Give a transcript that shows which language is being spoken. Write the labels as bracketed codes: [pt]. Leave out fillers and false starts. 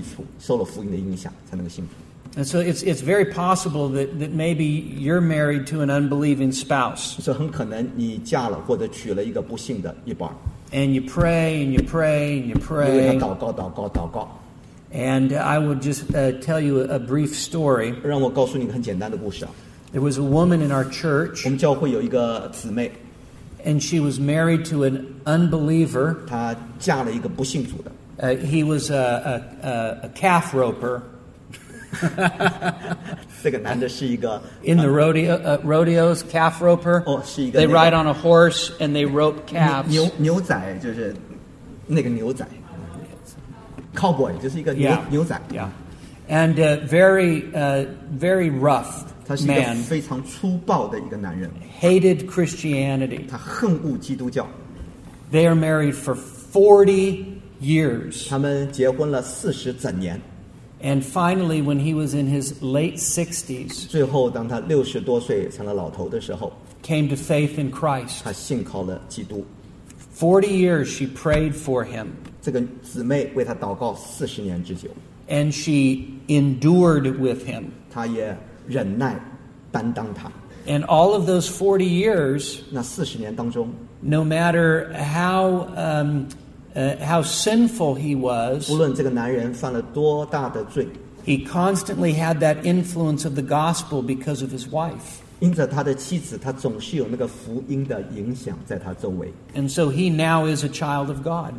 [zh] 他们之所以能够来信主，是因为他们成圣了，他们被分别出来，得到了福音的益处，受了福音的影响，才能够信主。 [en] And so it's very possible that maybe you're married to an unbelieving spouse. [zh] 是很可能你嫁了或者娶了一个不幸的一半。 [en] And you pray and you pray and you pray. [zh] 因为他祷告。 [en] And I will just tell you a brief story. [zh] 让我告诉你一个很简单的故事啊。 [en] There was a woman in our church. [zh] 我们教会有一个姊妹。 [en] And she was married to an unbeliever. [zh] 她嫁了一个不信主的。 [en] He was a calf roper. [zh] 这个男的是一个 [en] in the rodeos calf roper. [zh] 哦，是一个 [en] they ride on a horse and they rope calves. [zh] 牛仔就是那个牛仔 cowboy 就是一个牛仔 [en] yeah. And very rough man. [zh] 他是一个非常粗暴的一个男人。 [en] Hated Christianity. [zh] 他恨恶基督教。 [en] They are married for 40 years. [zh] 他们结婚了40整年。 [en] And finally, when he was in his late 60s, [zh] 最后当他60多岁成了老头的时候, [en] came to faith in Christ. [zh] 他信靠了基督。 [en] 40 years she prayed for him. [zh] 这个姊妹为他祷告40年之久。 [en] And she endured with him. [zh] 她也忍耐担当他。 [en] And all of those 40 years, [zh] 那40年当中, [en] no matter how sinful he was, [zh] 不论这个男人犯了多大的罪, [en] he constantly had that influence of the gospel because of his wife. [zh] 因着他的妻子, [en] and so he now is a child of God.